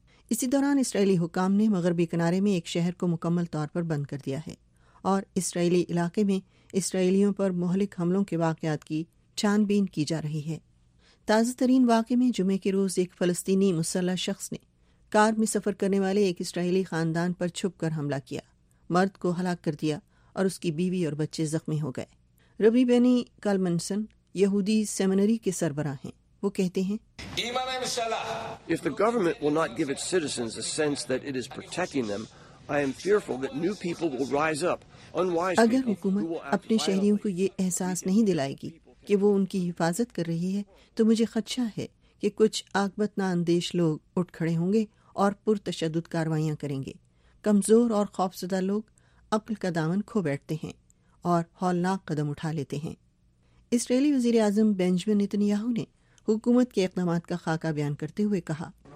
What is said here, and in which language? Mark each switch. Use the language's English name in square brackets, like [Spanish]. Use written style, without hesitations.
[Urdu] اسی دوران اسرائیلی حکام نے مغربی کنارے میں ایک شہر کو مکمل طور پر بند کر دیا ہے, اور اسرائیلی علاقے میں اسرائیلیوں پر مہلک حملوں کے واقعات کی چھان بین کی جا رہی ہے. تازہ ترین واقعے میں جمعے کے روز ایک فلسطینی مسلح شخص نے کار میں سفر کرنے والے ایک اسرائیلی خاندان پر چھپ کر حملہ کیا، مرد کو ہلاک کر دیا اور اس کی بیوی اور بچے زخمی ہو گئے۔ ربی بینی کالمنسن یہودی سیمینری کے سربراہ ہیں، وہ کہتے ہیں [English] If the government will not give its citizens a sense that it is protecting them, I am fearful that new people will rise up. [Urdu] اگر حکومت اپنے شہریوں کو یہ احساس نہیں دلائے گی کہ وہ ان کی حفاظت کر رہی ہے تو مجھے خدشہ ہے کہ کچھ عاقبت نا اندیش لوگ اٹھ کھڑے ہوں گے اور پرتشدد کاروائیاں کریں گے۔ کمزور اور خوفزدہ لوگ عقل کا دامن کھو بیٹھتے ہیں اور ہولناک قدم اٹھا لیتے ہیں۔ اسرائیلی وزیر اعظم بنجمن نتنیاہو نے حکومت کے اقدامات کا خاکہ بیان کرتے ہوئے کہا